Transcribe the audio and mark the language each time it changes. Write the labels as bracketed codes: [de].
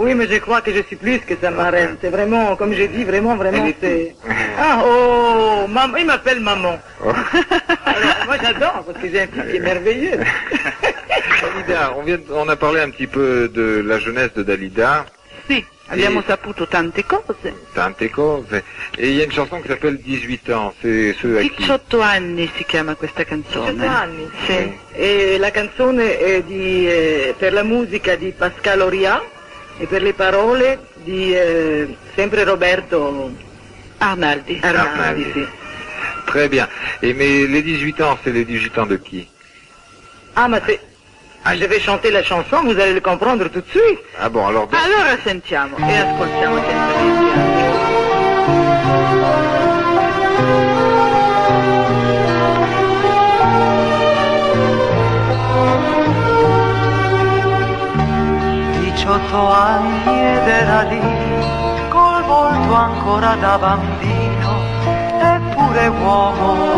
[fr] Oui, mais je crois que je suis plus que sa marraine. C'est vraiment, comme j'ai dit, vraiment, elle est c'est... Ah, oh, maman, il m'appelle maman. Oh. Alors, moi, j'adore, parce que j'ai un fils qui est merveilleux. Dalida, on a parlé un petit peu de la jeunesse de Dalida. [it] Si, abbiamo saputo tante cose. Tante cose. [fr] Et il y a une chanson qui s'appelle 18 ans, c'est ce à qui... [it] 18 anni si chiama questa canzone. 18 anni. Sì. Sì. E la canzone è di, per la musica di Pascal Auriat e per le parole di sempre Roberto... Arnaldi. Arnaldi, sì. [fr] Très bien. Et mais les 18 ans, c'est les 18 ans de qui? Ah, ma c'est... Ah, je vais chanter la chanson, vous allez le comprendre tout de suite. Ah bon, alors... Donc... [it] Allora sentiamo e ascoltiamo. Diciotto anni ed era lì, col volto ancora da bambino, eppure uomo.